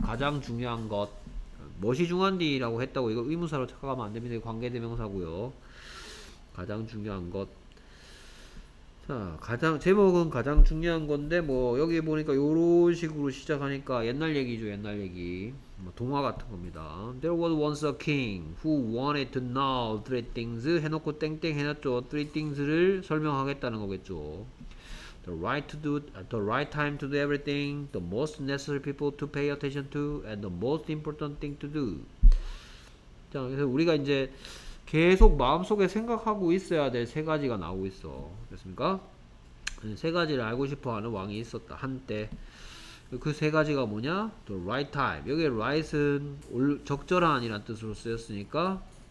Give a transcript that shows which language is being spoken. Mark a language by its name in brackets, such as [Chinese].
[Korean] 가장 중요한 것 무엇이 중요한디라고 했다고 이거 의문사로 착각하면 안 됩니다. 관계대명사고요. 가장 중요한 것. 자, 가장 제목은 가장 중요한 건데 뭐 여기 보니까 요런 식으로 시작하니까 옛날 얘기죠. 옛날 얘기. 뭐 동화 같은 겁니다. [English] There was once a king who wanted to know three things [Korean] 해놓고 땡땡 해놨죠. [English] three things를 [Korean] 설명하겠다는 거겠죠. [English] the right time to do everything, the most necessary people to pay attention to, and the most important thing to do. [Korean] 자, 그래서 우리가 이제 계속 마음속에 생각하고 있어야 될세 가지가 나오고 있어. 됐습니까? 세 가지를 알고 싶어 하는 왕이 있었다. 한때. 그세 가지가 뭐냐? [English] The right time. [Korean] 여기 right은 적절한이란 뜻으로 쓰였으니까.